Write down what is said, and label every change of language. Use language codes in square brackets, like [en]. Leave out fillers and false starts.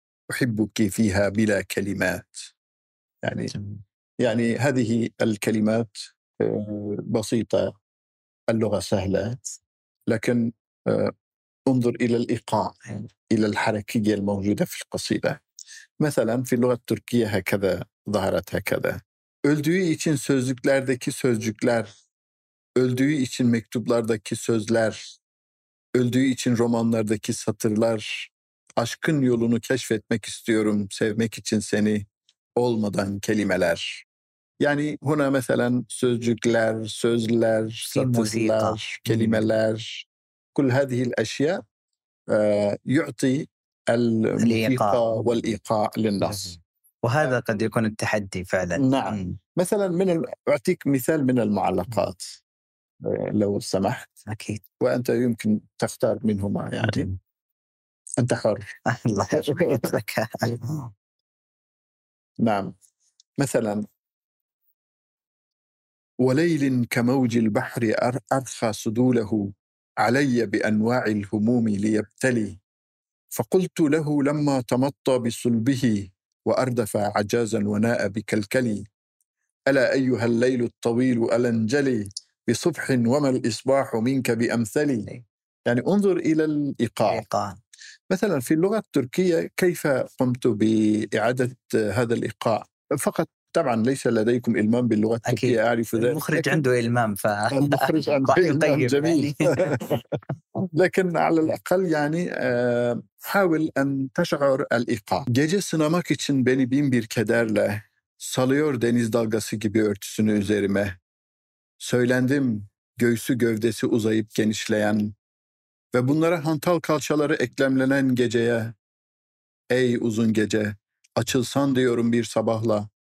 [ar] أحبك فيها بلا كلمات. يعني هذه الكلمات بسيطة، اللغة سهلة، لكن انظر إلى الإيقاع، إلى الحركية الموجودة في القصيدة. مثلا في اللغة التركية هكذا ظهرت هكذا. [tr] Öldüğü için sözlüklerdeki sözcükler, öldüğü için mektuplardaki sözler, öldüğü için romanlardaki satırlar, aşkın yolunu keşfetmek istiyorum, sevmek için seni, olmadan kelimeler. Yani buna mesela sözcükler, sözler, satırlar, kelimeler, [ar] kul hadihi eşya yu'ti el-mufika vel-iqa lin-nas. وهذا قد يكون التحدي فعلا. نعم. مثلا أعطيك مثال من المعلقات لو سمحت. أكيد. وأنت يمكن تختار منهما، يعني أنت حر. الله يرزقك. نعم. مثلا وليل كموج البحر أرخى سدوله علي بأنواع الهموم ليبتلي، فقلت له لما تمطى بصلبه وأردف عجازا وناء بكلكلي، ألا أيها الليل الطويل ألا انجلي بصبح وما الإصباح منك بأمثلي. يعني انظر إلى الإيقاع. مثلا في اللغة التركية كيف قمت بإعادة هذا الإيقاع؟ فقط طبعا ليس لديكم إلمام باللغة التركية، أعرف ذلك. المخرج عنده إلمام، المخرج عنده إلمام جميل. لكن على الأقل يعني حاول أن تشعر الإيقاع. [tr] gece sınamak için beni bin bir kederle salıyor deniz dalgası gibi örtüsünü üzerime. Söylendim göğsü gövdesi uzayıp genişleyen ve bunlara hantal kalçaları eklemlenen geceye. Ey uzun gece, açılsan diyorum bir sabahla.